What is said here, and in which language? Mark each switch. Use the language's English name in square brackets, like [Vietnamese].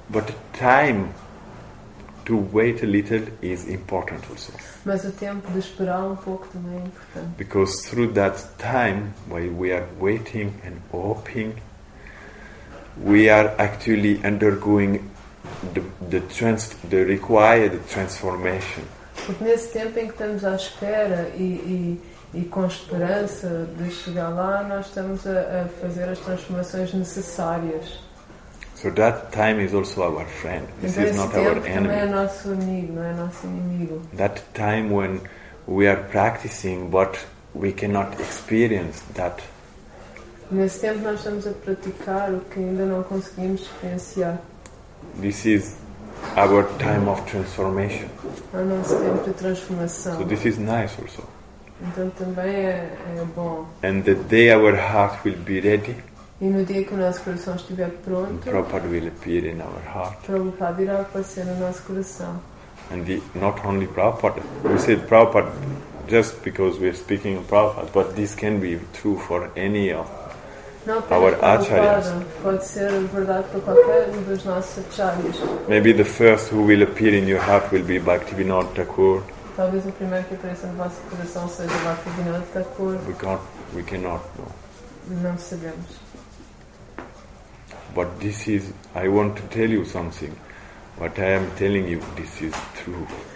[English] But time to wait a little is important also. [Portuguese] Mas o tempo de esperar um pouco também é importante. [English] Because through that time, while we are waiting and hoping, we are actually undergoing the required transformation. [Portuguese] Porque nesse tempo em que estamos à espera e com esperança de chegar lá, nós estamos a fazer as transformações necessárias. [English] So that time is also our friend. This is not our enemy. [Portuguese] Também é nosso amigo, não é nosso inimigo. [English] That time when we are practicing, but we cannot experience that. [Portuguese] Nesse tempo nós estamos a praticar o que ainda não conseguimos experienciar. [English] This is our time of transformation. [Portuguese] É o nosso tempo de transformação. [English] So this is nice also. [Portuguese] Então também é bom. [English] And the day our heart will be ready. [Portuguese] E no dia que o nosso coração estiver pronto. [English] Prabhupada will appear in our heart. [Portuguese] Prabhupada irá aparecer no nosso coração. [English] And the, not only Prabhupada. We said Prabhupada just because we are speaking of Prabhupada, but this can be true for any of our acharyas. [Portuguese] Pode ser verdade para qualquer um dos nossos acharyas. [English] Maybe the first who will appear in your heart will be Bhaktivinoda Thakur. [Portuguese] Talvez o primeiro que apareça no vosso coração seja o Bhaktivinoda Thakur. [English] We cannot know. [Portuguese] Não sabemos. [English] But this is, I want to tell you something. What I am telling you, this is true.